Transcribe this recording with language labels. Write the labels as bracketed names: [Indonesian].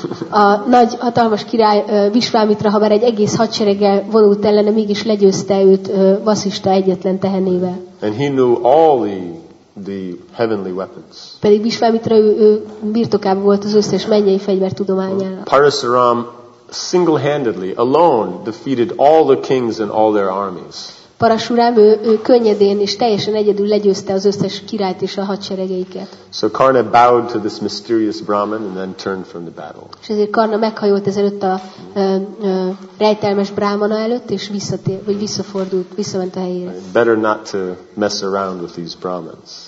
[Hungarian] A nagy hatalmas király Vishvamitra, ha már egy egész hadsereggel vonult ellene, mégis legyőzte őt Vasishta egyetlen tehenével. [English] And he knew all the heavenly weapons. [Hungarian] Pedig Vishvamitra birtokában volt az összes mennyei fegyver tudományának. [English] Parasaram single-handedly, alone, defeated all the kings and all their armies. [Hungarian] Parasuram könnyedén és teljesen egyedül legyőzte az összes királyt és a hadseregeiket. [English] So Karna bowed to this mysterious Brahmin and then turned from the battle. [Hungarian] És ezért Karna meghajolt ezelőtt a rejtelmes Brahmana előtt és visszafordult, visszament a helyére. [English] Better not to mess around with these Brahmins.